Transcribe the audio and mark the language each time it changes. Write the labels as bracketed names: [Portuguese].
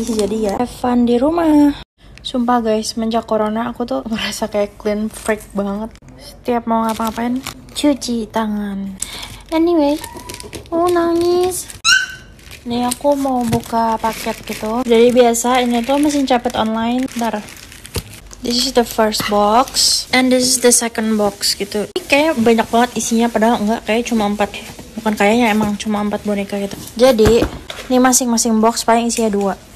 [Indonesian] Jadi ya, [English] have fun [Indonesian] di rumah. Sumpah guys, semenjak corona aku tuh merasa kayak [English] clean freak [Indonesian] banget. Setiap mau ngapa-ngapain, cuci tangan. Anyway, oh nangis. Nih aku mau buka paket gitu. Jadi biasa ini tuh mesin cepet online. Bentar. [English] This is the first box and this is the second box gitu. [Indonesian] Ini kayak banyak banget isinya, padahal enggak, kayak cuma 4. Bukan kayaknya, emang cuma 4 boneka gitu. Jadi, ini masing-masing box paling isinya 2.